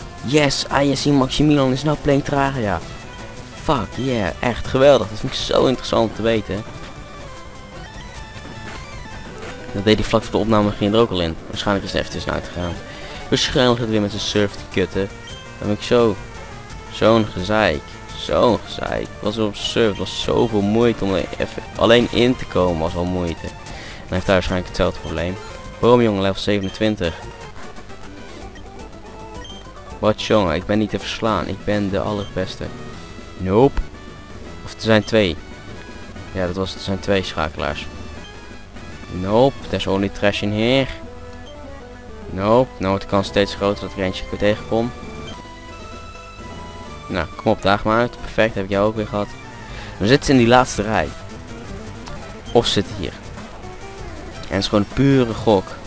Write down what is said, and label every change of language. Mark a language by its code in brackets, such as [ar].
[en] Yes, ISC Maximilian is [nl] nou [en] playing Terraria. [nl] Ja. [en] Fuck yeah, [nl] echt geweldig. Dat vind ik zo interessant om te weten. Dat deed hij vlak voor de opname, ging er ook al in. Waarschijnlijk is het even tussenuit gegaan. Waarschijnlijk gaat weer met zijn surf te kutten. Dan heb ik zo'n gezeik. Was op surf, was zoveel moeite om er even alleen in te komen, was wel moeite. Hij heeft daar waarschijnlijk hetzelfde probleem. Waarom jongen, level 27? Wat jongen, ik ben niet te verslaan. Ik ben de allerbeste. Nope. Of er zijn 2. Ja, dat was, er zijn 2 schakelaars. [en] Nope, there's only trash in here. [nl] Nope, nou wordt de kans steeds groter dat ik er eentje weer tegenkom. Nou, kom op, daag maar uit. Perfect, heb ik jou ook weer gehad. We zitten in die laatste rij. Of zitten hier. En het is gewoon een pure gok.